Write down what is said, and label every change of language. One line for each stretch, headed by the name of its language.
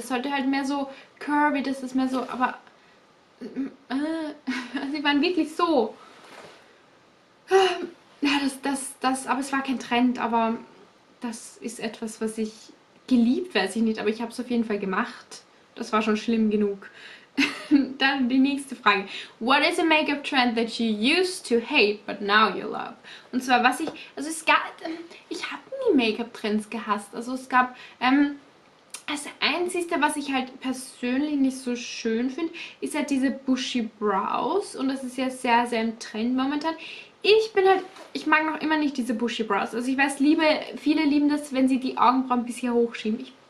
German: Das sollte halt mehr so curvy, das ist mehr so, aber. Sie waren wirklich so. Ja, aber es war kein Trend, aber das ist etwas, was ich geliebt, weiß ich nicht, aber ich habe es auf jeden Fall gemacht. Das war schon schlimm genug. Dann die nächste Frage.
English: What is a makeup trend that you used to hate, but now you love?
German: Und zwar, was ich, also es gab, ich habe nie Make-up-Trends gehasst. Also es gab, das Einzige, was ich halt persönlich nicht so schön finde, ist halt diese Bushy Brows. Und das ist ja sehr, sehr im Trend momentan. Ich bin halt, ich mag noch immer nicht diese Bushy Brows. Also ich weiß, viele lieben das, wenn sie die Augenbrauen ein bisschen hochschieben.